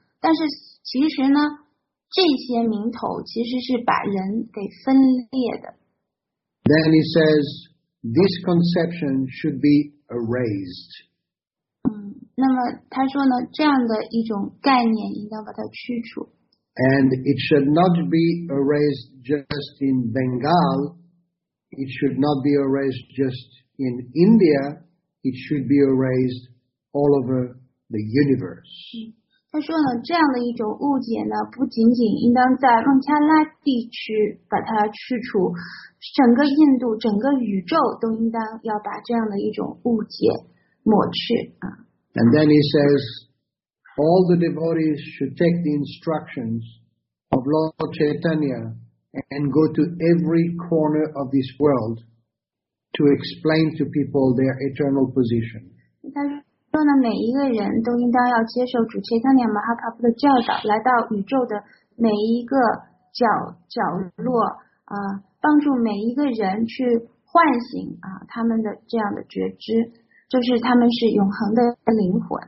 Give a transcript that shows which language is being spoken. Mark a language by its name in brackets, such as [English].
[Chinese] 但是其实呢，这些名头其实是把人给分裂的。 [English] Then he says, this conception should be erased. [Chinese] 那么他说呢，这样的一种概念应当把它去除。 [English] And it should not be erased just in Bengal. It should not be erased just in India. It should be erased all over the universe. [Chinese] 他说呢，这样的一种误解呢，不仅仅应当在孟加拉地区把它去除，整个印度、整个宇宙都应当要把这样的一种误解抹去、啊、 [English] And then he says, all the devotees should take the instructions of Lord Chaitanya and go to every corner of this world to explain to people their eternal position. [Chinese] 他说呢，每一个人都应当要接受主切特尼亚马哈帕布的教导，来到宇宙的每一个角落啊，帮助每一个人去唤醒啊他们的这样的觉知，就是他们是永恒的灵魂。